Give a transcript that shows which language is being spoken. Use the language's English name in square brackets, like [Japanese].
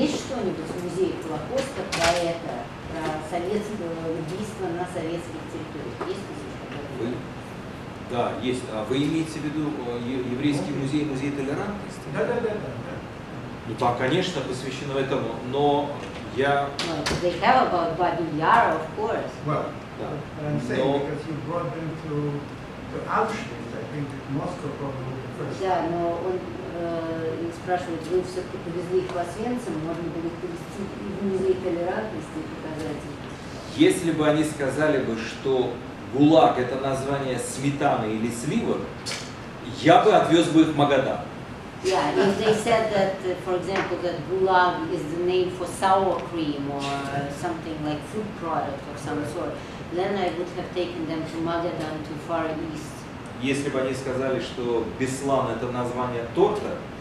[Russian] Есть что-нибудь в музее Холокоста про это, про советское убийство на советских территориях? Есть музей такой? Да, есть. А вы имеете в виду еврейский музей, музей толерантности? Да, да, да, да. Ну да, конечно, посвящено этому, но я. [English] Well, they have about Babi Yara, of course. Well, [Russian] да. [English] But I'm saying because you brought them to Auschwitz, I think that Moscow probably was the first. Yeah, no, [Russian] он спрашивает, вы все-таки повезли их в Освенцим, можно было привести внизу толерантности и показать их. Если бы они сказали бы, что ГУЛАГ – это название сметаны или сливок, я бы отвез бы их в Магадан. [English] Yeah, if they said that, for example, that gulag is the name for sour cream or something like food product of some sort, then I would have taken them to Magadan, to Far East. [Russian] Если бы они сказали, что Беслан – это название торта,